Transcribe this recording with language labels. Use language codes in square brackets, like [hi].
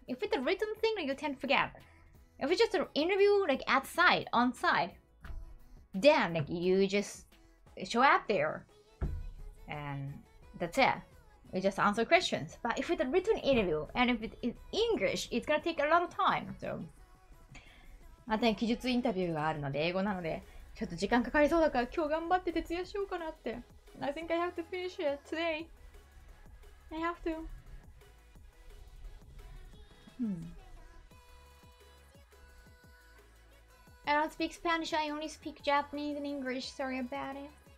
[en] If it's a written thing, you tend to forget. If it's just an interview, like outside, on site, then like, you just show up there and that's it. You just answer questions. But if it's a written interview and if it's English, it's gonna take a lot of time. So, [ja] あとね、記述インタビューがあるので、英語なので、ちょっと時間かかりそうだから今日頑張って徹夜しようかなって。 [en] I think I have to finish it today. I have to. I don't speak Spanish, I only speak Japanese and English, sorry about it.